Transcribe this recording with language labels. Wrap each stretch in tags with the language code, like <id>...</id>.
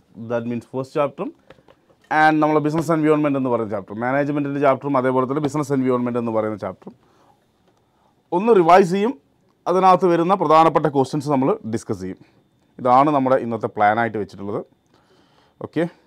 <en>That means first chapter. And we have business environment in the chapter. Management in the chapter, we have business environment in the chapter.</en> <ml>ഒന്ന് revise ചെയ്യും, അതിനകത്ത് വരുന്ന പ്രധാനപ്പെട്ട questions നമ്മൾ discuss ചെയ്യും. ഇതാണ് നമ്മുടെ ഇന്നത്തെ പ്ലാനായിട്ട് വെച്ചിട്ടുള്ളത്. ഓക്കെ,</ml>